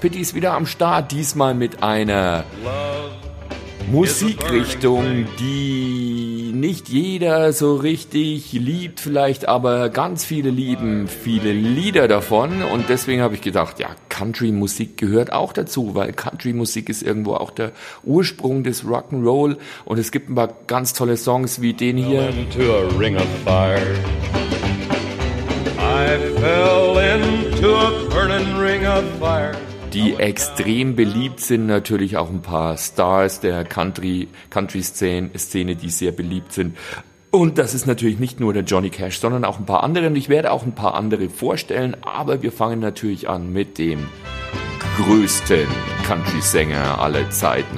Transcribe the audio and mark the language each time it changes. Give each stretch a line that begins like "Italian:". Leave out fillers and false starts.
German: Pitty ist wieder am Start, diesmal mit einer Musikrichtung, die nicht jeder so richtig liebt, vielleicht aber ganz viele lieben viele Lieder davon. Und deswegen habe ich gedacht, ja, Country-Musik gehört auch dazu, weil Country-Musik ist irgendwo auch der Ursprung des Rock'n'Roll. Und es gibt ein paar ganz tolle Songs wie den hier.
English: Into a ring of fire. I fell into a burning ring of fire.
German: Die extrem beliebt sind, natürlich auch ein paar Stars der Country-Szene, die sehr beliebt sind. Und das ist natürlich nicht nur der Johnny Cash, sondern auch ein paar andere. Und ich werde auch ein paar andere vorstellen, aber wir fangen natürlich an mit dem größten Country-Sänger aller Zeiten.